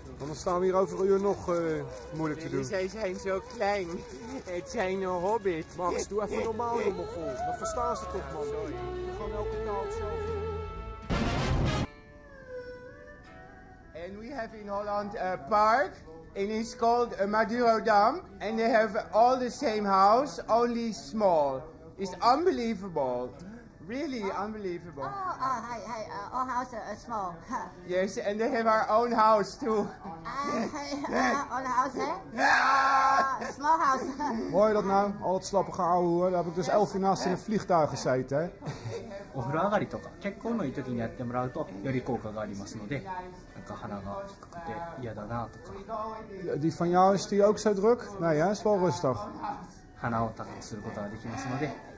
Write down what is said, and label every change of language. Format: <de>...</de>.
<nl>Want dan staan we hier over een uur nog moeilijk te doen. Zij zijn zo klein. Het zijn een hobbit. Max, doe even normaal, jongen. Dat verstaan ze toch, man. Sorry. Gewoon elke taal zo. En we hebben in Holland een park.</nl> <en>And it's called Maduro Dam, and they have all the same house, only small. It's unbelievable. Really, oh. Unbelievable. Oh, hi. Our house is small. Yes, and they have our own house too. Our house, hè? Small house.</en> <nl>Hoor je dat nou? Al het slappige ouwe hoor. Daar heb ik dus 11 uur naast in een vliegtuig gezeten, hè?</nl> <ja>お風呂上がりとか結婚の時にやってもらうとより効果がありますので、なんか鼻が低くて嫌だなとか。</ja> <nl>Die van jou is die ook zo druk? Nee, hè, is wel rustig.</nl> <ja>鼻を高くすることができますので。</ja>